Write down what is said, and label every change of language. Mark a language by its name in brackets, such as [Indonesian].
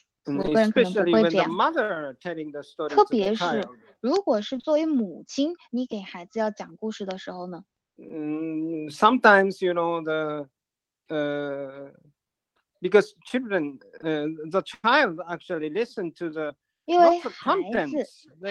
[English] Especially when the mother telling the story to the child. [Chinese] 特别是如果是作为母亲你给孩子要讲故事的时候呢, [English] sometimes, you know, the because children, the child actually listen to the contents.